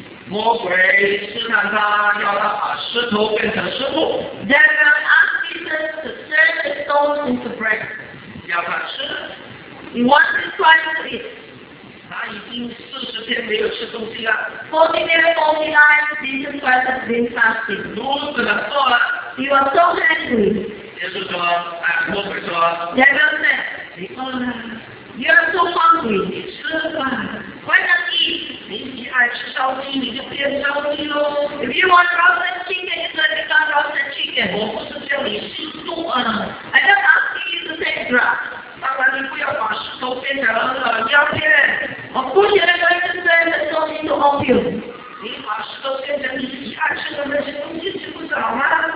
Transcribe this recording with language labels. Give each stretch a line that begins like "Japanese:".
Chinese: 魔鬼试探他，要他把石头变成食物。
English: Devil asked Jesus to turn the stones into bread.
Chinese: 要他吃。
English: He wanted Christ to eat.
Chinese: 他已经40天没有吃东西了。
English: 40 days, 40 nights, Jesus Christ has been fasting.
Chinese: 如此的饿了。
English: You are so hungry. Jesus said, "I'm so hungry." Devil said, "You are so hungry. Why not eat? If you want roasted chicken, you can become roasted chicken. I don't ask you to take drugs. Of course, you are going to turn the stone into opium.
Chinese: 你把石头变成你喜爱吃的那些东西，岂不早吗？